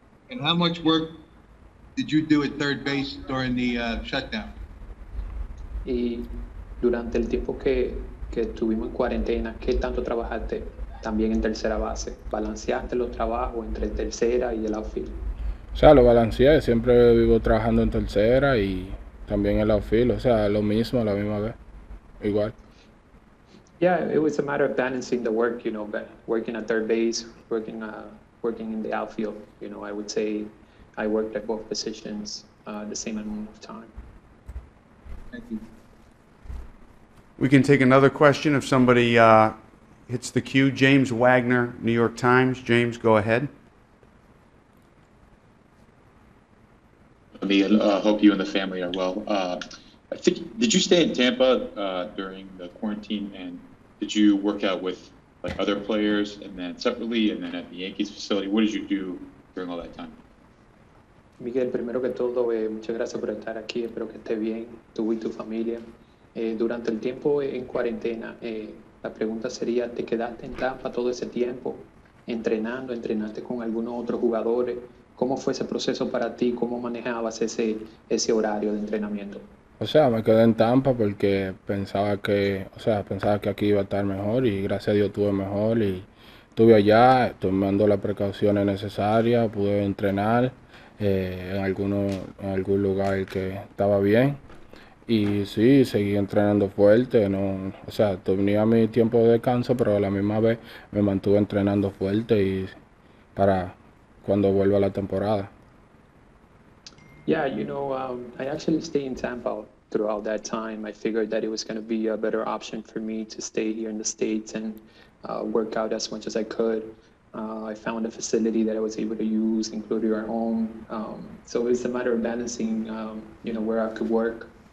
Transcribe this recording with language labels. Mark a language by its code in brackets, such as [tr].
[en] And how much work did you do at third base during the shutdown? [es] Y durante el tiempo que estuvimos en cuarentena, ¿qué tanto trabajaste también en tercera base? ¿Balanceaste los trabajos entre tercera y el outfield? O sea, lo balanceé, siempre vivo trabajando en tercera y también el outfield, o sea, lo mismo, la misma vez, igual. [en] Yeah, it was a matter of balancing the work, you know, but working at third base, working working in the outfield, you know, I would say I worked at both positions the same amount of time. Thank you. We can take another question if somebody hits the queue. James Wagner, New York Times. James, go ahead. Neil, hope you and the family are well. I think, did you stay in Tampa during the quarantine, and did you work out with like other players and then separately and then at the Yankees facility? What did you do during all that time? [es] Miguel, primero que todo, muchas gracias por estar aquí. Espero que esté bien, tú y tu familia. Durante el tiempo en cuarentena, la pregunta sería, ¿te quedaste en Tampa todo ese tiempo entrenando, entrenaste con algunos otros jugadores? ¿Cómo fue ese proceso para ti? ¿Cómo manejabas ese horario de entrenamiento? O sea, me quedé en Tampa porque pensaba que, o sea, pensaba que aquí iba a estar mejor y gracias a Dios estuve mejor y estuve allá tomando las precauciones necesarias, pude entrenar en algún lugar que estaba bien y sí, seguí entrenando fuerte, no, o sea, tenía mi tiempo de descanso, pero a la misma vez me mantuve entrenando fuerte y para cuando vuelva la temporada. [en] Yeah, you know, I actually stayed in Tampa throughout that time. I figured that it was going to be a better option for me to stay here in the States and work out as much as I could. I found a facility that I was able to use, including our home. So it's a matter of balancing, you know, where I could work.